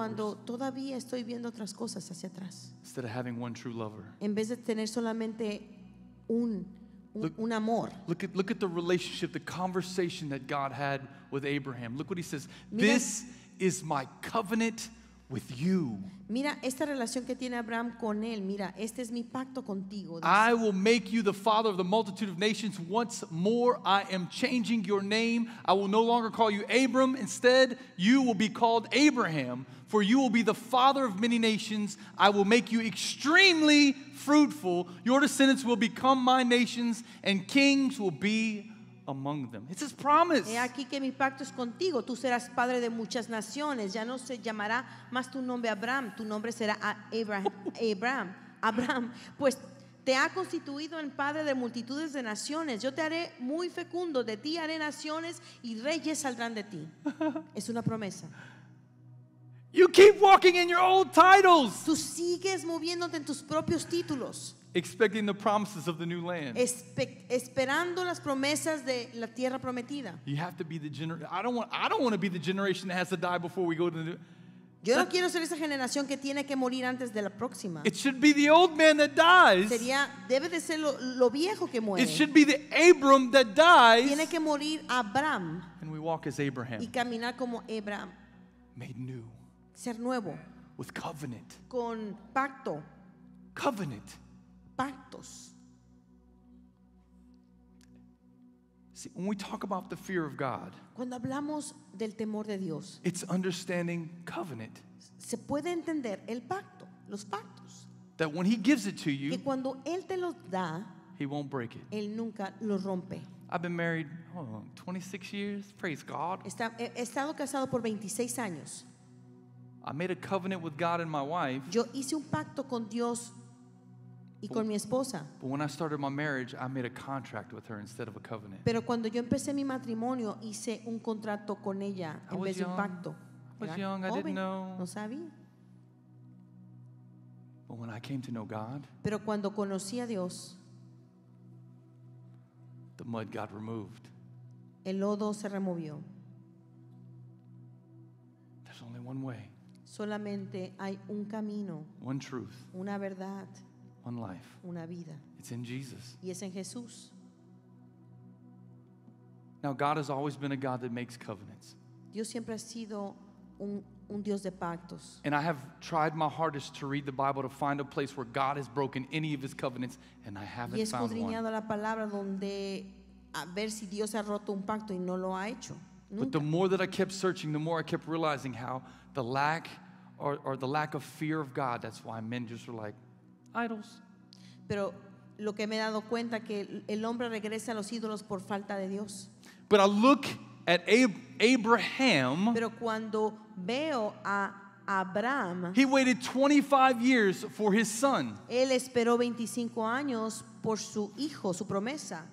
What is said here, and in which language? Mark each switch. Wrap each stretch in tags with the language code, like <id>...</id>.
<es>Cuando todavía estoy viendo otras cosas hacia atrás.</es> <en>Instead of having one true lover.</en> <es>En vez de tener solamente un un amor.</es> <en>Look at the relationship, the conversation that God had with Abraham. Look what he says. This is my covenant with you.</en> <es>Mira esta relación que tiene Abraham con él. Mira, este es mi pacto contigo.</es> <en>I will make you the father of the multitude of nations once more. I am changing your name. I will no longer call you Abram. Instead, you will be called Abraham, for you will be the father of many nations. I will make you extremely fruitful. Your descendants will become my nations, and kings will be among them. It's his promise.</en> <es>He aquí que mi pacto es contigo. Tú serás padre de muchas naciones. Ya no se llamará más tu nombre Abraham. Tu nombre será Abraham. Abraham. Pues te ha constituido en padre de multitudes de naciones. Yo te haré muy fecundo. De ti haré naciones y reyes saldrán de ti. Es una promesa.</es> <en>You keep walking in your old titles.</en> <es>Tú sigues moviéndote en tus propios títulos.</es> <en>Expecting the promises of the new land.</en> <es>Esperando las promesas de la tierra prometida.</es> <en>You have to be the generation. I don't want to be the generation that has to die before we go to the new.</en> <es>Yo no quiero ser esa generación que tiene que morir antes de la próxima.</es> <en>It should be the old man that dies.</en> <es>Sería, debe de ser lo viejo que muere.</es> <en>It should be the Abram that dies.</en> <es>Tiene que morir Abraham.</es> <en>And we walk as Abraham.</en> <es>Y caminar como Abraham.</es> <en>Made new.</en> <es>Ser nuevo.</es> <en>With covenant.</en> <es>Con pacto.</es> <en>Covenant.</en> <es>Pactos.</es> <en>See, when we talk about the fear of God,</en> <es>cuando hablamos del temor de Dios,</es> <en>it's understanding covenant.</en> <es>Se puede entender el pacto, los pactos.</es> <en>That when he gives it to you,</en> <es>que cuando él te los da,</es> <en>he won't break it.</en> <es>Él nunca lo rompe.</es> <en>I've been married 26 years, praise God.</en> <es>He estado casado por 26 años.</es> <en>I made a covenant with God and my wife.</en> <es>Yo hice un pacto con Dios y con mi esposa.</es> <en>But when I started my marriage, I made a contract with her instead of a covenant.</en> <es>Pero cuando yo empecé mi matrimonio, hice un contrato con ella en vez de un pacto.</es> <en>I was young, I didn't know.</en> <es>No sabía.</es> <en>But when I came to know God,</en> <es>pero cuando conocí a Dios,</es> <en>the mud got removed.</en> <es>El lodo se removió.</es> <en>There's only one way.</en> <es>Solamente hay un camino.</es> <en>One truth.</en> <es>Una verdad.</es> <en>One life.</en> <es>Una vida.</es> <en>It's in Jesus.</en> <es>Y es en Jesús.</es> <en>Now God has always been a God that makes covenants.</en> <es>Dios siempre ha sido un Dios de pactos.</es> <en>And I have tried my hardest to read the Bible to find a place where God has broken any of his covenants, and I haven't found one.</en> <es>Y he escudriñado la palabra donde a ver si Dios ha roto un pacto y no lo ha hecho. Nunca.</es> <en>But the more that I kept searching, the more I kept realizing how the lack or the lack of fear of God, that's why men just were like idols.</en> <es>Pero lo que me he dado cuenta que el hombre regresa a los ídolos por falta de Dios.</es> <en>But I look at Abraham.</en> <es>Pero cuando veo a Abraham,</es> <en>he waited 25 years for his son.</en> <es>Él esperó 25 años por su hijo, su promesa.</es>